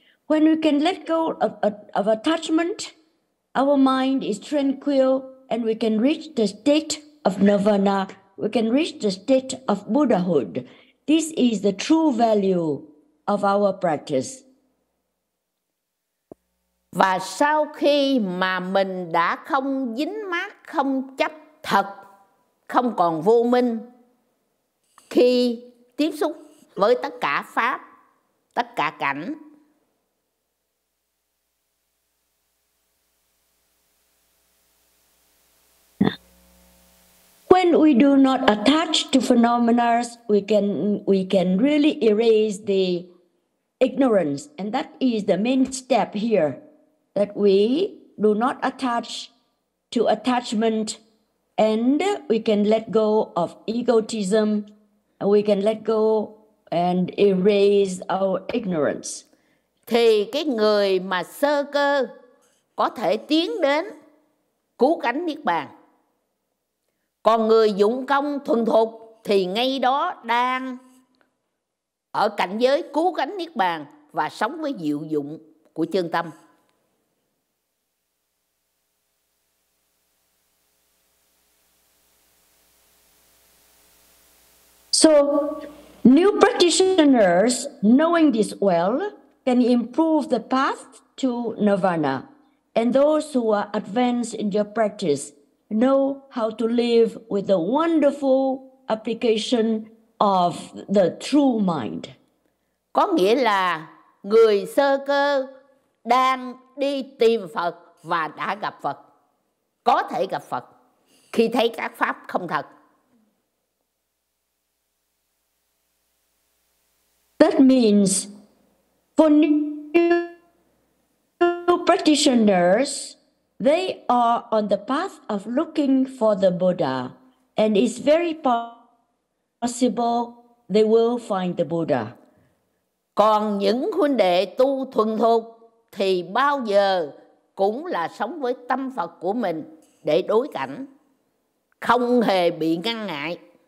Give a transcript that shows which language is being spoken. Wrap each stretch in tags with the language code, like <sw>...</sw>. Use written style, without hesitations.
<en>When we can let go of attachment, our mind is tranquil and we can reach the state of nirvana. We can reach the state of Buddhahood. This is the true value of our practice.</en> <vi>Và sau khi mà mình đã không dính mắc, không chấp thật, không còn vô minh, khi tiếp xúc với tất cả pháp, tất cả cảnh,</vi> <en>when we do not attach to phenomena, we can really erase the ignorance, and that is the main step here. That we do not attach to attachment, and we can let go of egotism, and we can let go and erase our ignorance.</en> <vi>Thì cái người mà sơ cơ có thể tiến đến cứu cánh niết bàn. Còn người dụng công thuần thục thì ngay đó đang ở cảnh giới cứu cánh niết bàn và sống với diệu dụng của chân tâm.</vi> <en>So, new practitioners knowing this well can improve the path to nirvana. And those who are advanced in their practice know how to live with the wonderful application of the true mind.</en> <vi>Có nghĩa là người sơ cơ đang đi tìm Phật và đã gặp Phật, có thể gặp Phật khi thấy các pháp không thật.</vi> <en>That means for new practitioners, they are on the path of looking for the Buddha, and it's very possible they will find the Buddha.</en> <vi>Còn những huynh đệ tu thuần thục thì bao giờ cũng là sống với tâm Phật của mình để đối cảnh, không hề bị ngăn ngại.</vi>